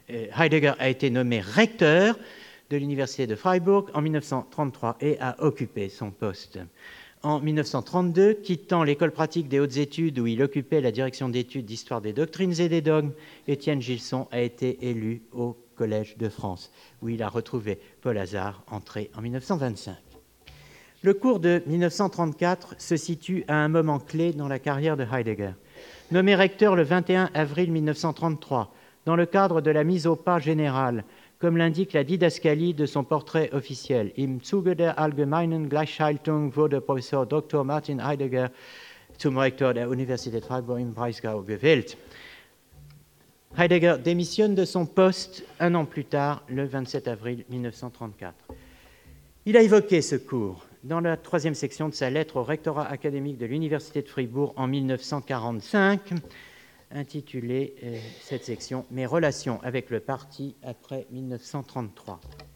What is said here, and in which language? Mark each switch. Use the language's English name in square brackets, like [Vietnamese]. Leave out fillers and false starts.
[French] Heidegger a été nommé recteur de l'Université de Freiburg en 1933 et a occupé son poste. En 1932, quittant l'école pratique des hautes études où il occupait la direction d'études d'histoire des doctrines et des dogmes, Étienne Gilson a été élu au Collège de France, où il a retrouvé Paul Hazard, entré en 1925. Le cours de 1934 se situe à un moment clé dans la carrière de Heidegger. Nommé recteur le 21 avril 1933, dans le cadre de la mise au pas générale, comme l'indique la didascalie de son portrait officiel. [German] Im Zuge der allgemeinen Gleichschaltung wurde Professor Dr. Martin Heidegger zum Rektor der Universität Freiburg im Breisgau gewählt. [French] Heidegger démissionne de son poste un an plus tard, le 27 avril 1934. Il a évoqué ce cours dans la troisième section de sa lettre au rectorat académique de l'Université de Fribourg en 1945, intitulée cette section « Mes relations avec le parti après 1933 ».